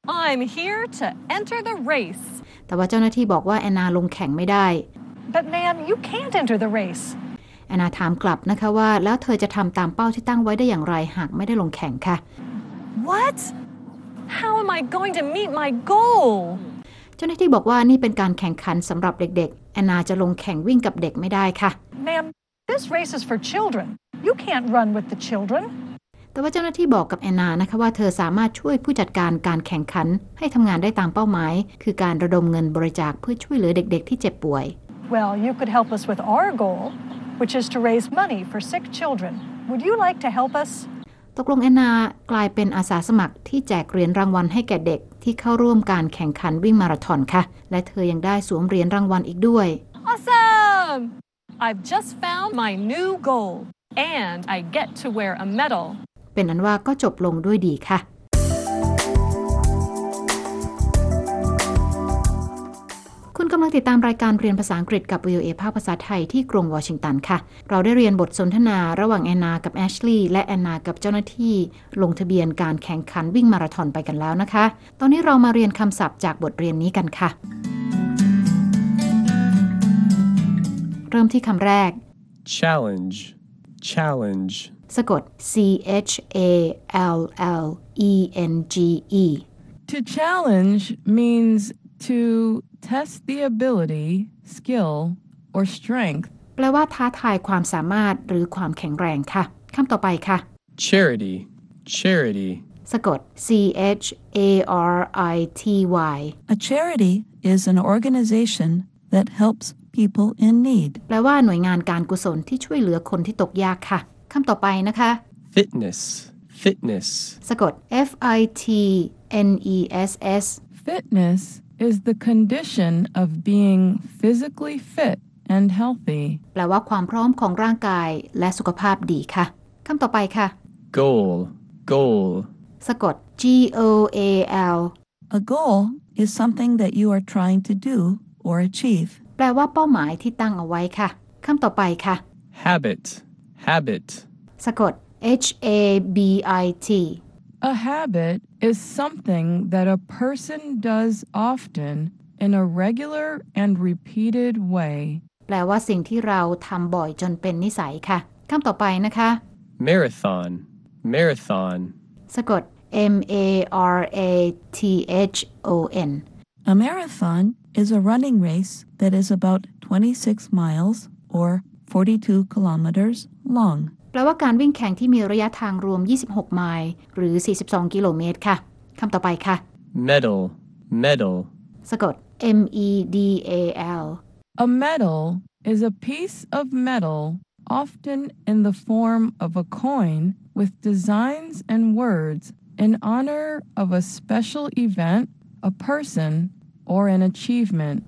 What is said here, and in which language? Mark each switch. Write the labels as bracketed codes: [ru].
[en] I'm here to enter the race. [th] แต่ว่าเจ้าหน้าที่บอกว่า Anna ลงแข่งไม่ได้ [en] But ma'am, you can't enter the race. [th] Anna ถามกลับนะคะว่าแล้วเธอจะทำตามเป้าที่ตั้งไว้ได้อย่างไรหากไม่ได้ลงแข่งค่ะ [en] What? How am I going to meet my goal? [th] เจ้าหน้าที่บอกว่านี่เป็นการแข่งขันสำหรับเด็กๆ Anna จะลงแข่งวิ่งกับเด็กไม่ได้ค่ะ [en] Ma'am, this race is for children. You can't run with the children. [th] แต่ว่าเจ้าหน้าที่บอกกับ Anna นะคะว่าเธอสามารถช่วยผู้จัดการการแข่งขันให้ทำงานได้ตามเป้าหมายคือการระดมเงินบริจาคเพื่อช่วยเหลือเด็กๆที่เจ็บป่วย [en] Well, you could help us with our goal, which is to raise money for sick children. Would you like to help us? [th] ตกลงแอนนากลายเป็นอาสาสมัครที่แจกเหรียญรางวัลให้แก่เด็กที่เข้าร่วมการแข่งขันวิ่งมาราธอนค่ะและเธอยังได้สวมเหรียญรางวัลอีกด้วย [en] Awesome! I've just found my new goal and I get to wear a medal [th] เป็นอันว่าก็จบลงด้วยดีค่ะคุณกำลังติดตามรายการเรียนภาษาอังกฤษกับ VOA ภาคภาษาไทยที่กรุงวอชิงตันค่ะเราได้เรียนบทสนทนาระหว่างแอนนากับแอชลีย์และแอนนากับเจ้าหน้าที่ลงทะเบียนการแข่งขันวิ่งมาราธอนไปกันแล้วนะคะตอนนี้เรามาเรียนคำศัพท์จากบทเรียนนี้กันค่ะเริ่มที่คำแรก [en] challenge challenge [th] สะกด challenge [en] to challenge means toTest the ability, skill, or strength. [th] แปลว่าท้าทายความสามารถหรือความแข็งแรงค่ะคำต่อไปค่ะ [en] Charity. Charity. [th] สะกด charity. [en] A charity is an organization that helps people in need. [th] แปลว่าหน่วยงานการกุศลที่ช่วยเหลือคนที่ตกยากค่ะคำต่อไปนะคะ [en] Fitness. Fitness. [th] สะกด fitness. [en] Fitness. is the condition of being physically fit and healthy [th] แปลว่าความพร้อมของร่างกายและสุขภาพดีค่ะคำต่อไปค่ะ [en] goal goal [th] สะกด goal [en] a goal is something that you are trying to do or achieve [th] แปลว่าเป้าหมายที่ตั้งเอาไว้ค่ะคำต่อไปค่ะ [en] habit habit [th] สะกด habit [en] a habitis something that a person does often in a regular and repeated way [th] แปลว่าสิ่งที่เราทำบ่อยจนเป็นนิสัยค่ะคำต่อไปนะคะ [en] marathon marathon [th] สะกด marathon [en] a marathon is a running race that is about 26 miles or 42 kilometers long [th] แปลว่าการวิ่งแข่งที่มีระยะทางรวม26ไมล์หรือ42กิโลเมตรค่ะคำต่อไปค่ะ [en] medal medal [th] สะกด medal [en] a medal is a piece of metal often in the form of a coin with designs and words in honor of a special event a person or an achievement